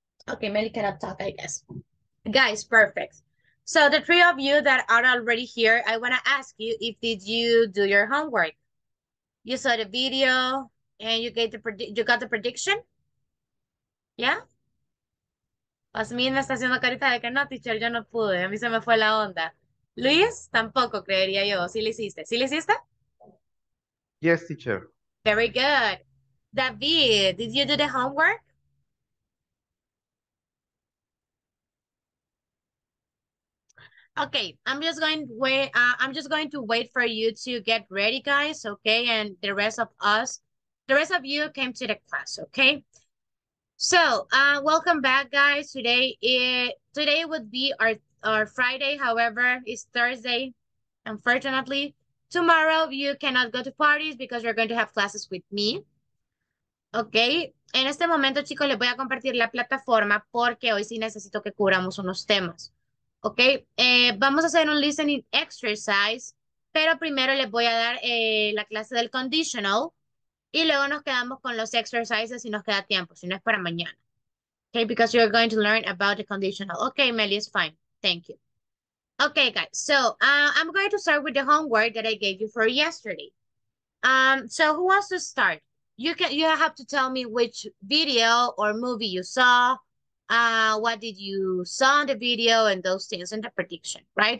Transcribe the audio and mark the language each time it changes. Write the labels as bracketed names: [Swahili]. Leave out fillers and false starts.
[English] Okay, Melly cannot talk, I guess. Guys, perfect. So the three of you that are already here, I want to ask you if did you do your homework? You saw the video and you got the prediction? Yeah? [Spanish] Asmin está haciendo carita de que no, teacher, yo no pude, a mí se me fue la onda. Luis, tampoco creería yo, sí lo hiciste. ¿Sí lo hiciste? [English] Yes, teacher. Very good. David, did you do the homework? Okay, I'm just going to wait for you to get ready, guys, okay? And the rest of you came to the class, okay? So, welcome back, guys. Today would be our Friday. However, it's Thursday, unfortunately. Tomorrow, you cannot go to parties because you're going to have classes with me. Okay. [Spanish] En este momento, chicos, les voy a compartir la plataforma porque hoy sí necesito que cubramos unos temas. Okay. Vamos a hacer un listening exercise, pero primero les voy a dar la clase del conditional. Y luego nos quedamos con los exercises si nos queda tiempo, si no es para mañana. [English] Okay, because you're going to learn about the conditional. Okay, Melly, it's fine. Thank you. Okay, guys. So I'm going to start with the homework that I gave you for yesterday. So who wants to start? You have to tell me which video or movie you saw, what did you saw in the video and those things and the prediction, right?